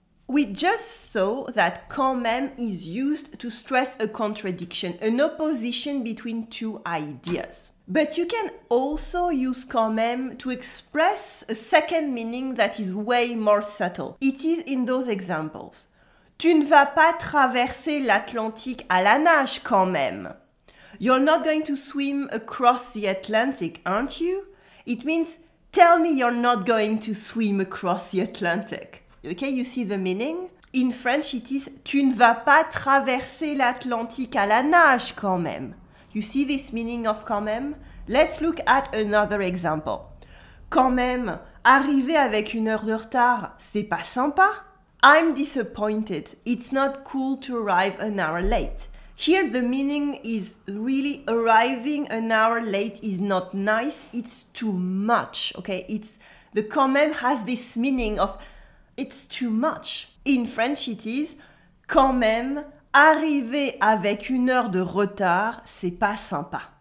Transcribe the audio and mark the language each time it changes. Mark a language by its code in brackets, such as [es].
[en] We just saw that quand même is used to stress a contradiction, an opposition between two ideas. But you can also use quand même to express a second meaning that is way more subtle. It is in those examples. [fr] Tu ne vas pas traverser l'Atlantique à la nage quand même. [en] You're not going to swim across the Atlantic, aren't you? It means, tell me you're not going to swim across the Atlantic. Okay, you see the meaning? In French, it is [fr] tu ne vas pas traverser l'Atlantique à la nage quand même. [en] You see this meaning of quand même? Let's look at another example. [fr] Quand même, arriver avec une heure de retard, c'est pas sympa? [en] I'm disappointed. It's not cool to arrive an hour late. Here the meaning is really arriving an hour late is not nice. It's too much, okay? The quand même has this meaning of it's too much. In French it is quand même. [fr] Arriver avec une heure de retard, c'est pas sympa.